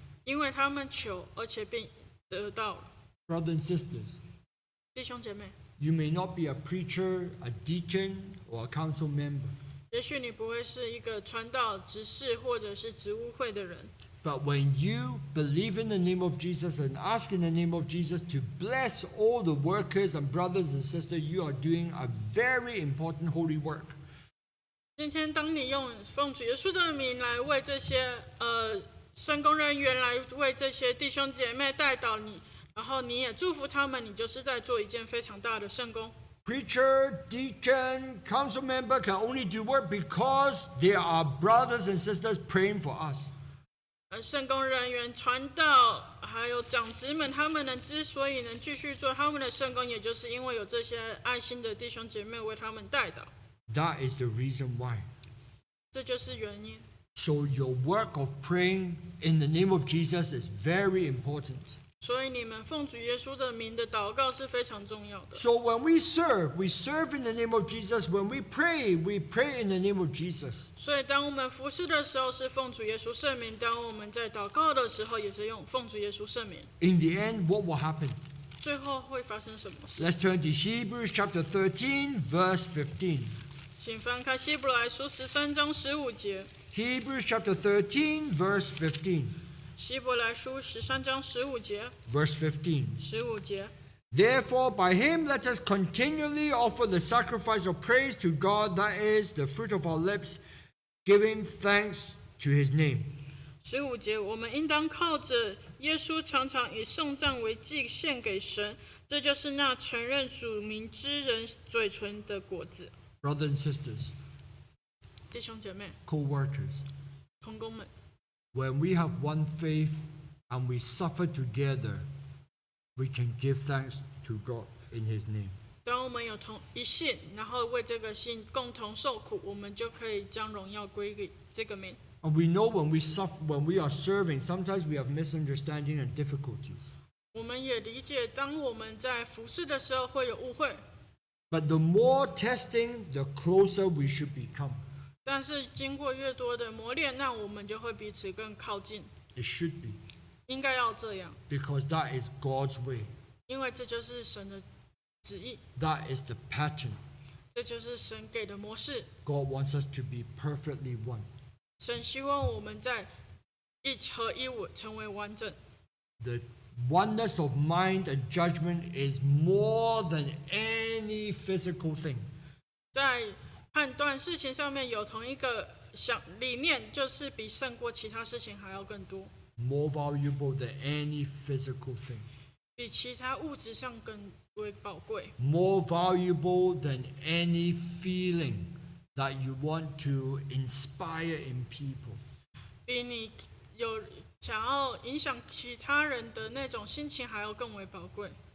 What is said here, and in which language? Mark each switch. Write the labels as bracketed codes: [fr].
[zh] 因为他们求而且便得到 [en] Brothers and sisters [zh] 弟兄姐妹 [en] You may not be a preacher, a deacon or a council member [zh] 也许你不会是一个传道执事或者是职务会的人 [en] But when you believe in the name of Jesus and ask in the name of Jesus to bless all the workers and brothers and sisters, you are doing a very important holy work. [zh] 今天当你用奉主耶稣的名来为这些圣工人员来为这些弟兄姐妹代祷你，然后你也祝福他们，你就是在做一件非常大的圣工。 [en] Preacher, deacon, council member can only do work because there are brothers and sisters praying for us. [zh] 圣工人员、传道还有长子们，他们能之所以能继续做他们的圣工，也就是因为有这些爱心的弟兄姐妹为他们代祷。 [en] That is the reason why. [zh] 这就是原因。 [en] So your work of praying in the name of Jesus is very important. [zh] 所以你们奉主耶稣的名的祷告是非常重要的。 [en] So when we serve in the name of Jesus. When we pray in the name of Jesus. [zh] 所以当我们服事的时候是奉主耶稣圣名，当我们在祷告的时候也是用奉主耶稣圣名。 [en] In the end, what will happen? [zh] 最后会发生什么事？ [en] Let's turn to Hebrews chapter 13, verse 15. [zh] 请翻开希伯来书十三章十五节。 [en] Hebrews chapter 13, verse 15. [zh] 希伯来书十三章十五节。 [en] Verse 15. [zh] 十五节。 [en] Therefore, by him let us continually offer the sacrifice of praise to God, that is the fruit of our lips, giving thanks to his name. [zh] 十五节，我们应当靠着耶稣常常以颂赞为祭献给神，这就是那承认主名之人嘴唇的果子。 [en] Brothers and sisters, [zh] 弟兄姐妹, [en] co-workers, [zh] 同工们, [en] when we have one faith and we suffer together, we can give thanks to God in His name. [zh] 当我们有同一信，然后为这个信共同受苦，我们就可以将荣耀归给这个名。 [en] And we know when we suffer, when we are serving, sometimes we have misunderstanding and difficulties. [zh] 我们也理解，当我们在服事的时候会有误会。 [en] But the more testing, the closer we should become. [zh] 但是经过越多的磨练，那我们就会彼此更靠近。 [en] It should be. [zh] 应该要这样。 [en] Because that is God's way. [zh] 因为这就是神的旨意。 [en] That is the pattern. [zh] 这就是神给的模式。 [en] God wants us to be perfectly one. [zh] 神希望我们在一合一物成为完整。 [en] The oneness of mind and judgment is more than any physical thing. [zh] 在判断事情上面有同一个想理念，就是比胜过其他事情还要更多。 [en] More valuable than any physical thing. [zh] 比其他物质上更为宝贵。 [en] More valuable than any feeling that you want to inspire in people. [zh] 比你有想要影响其他人的那种心情还要更为宝贵。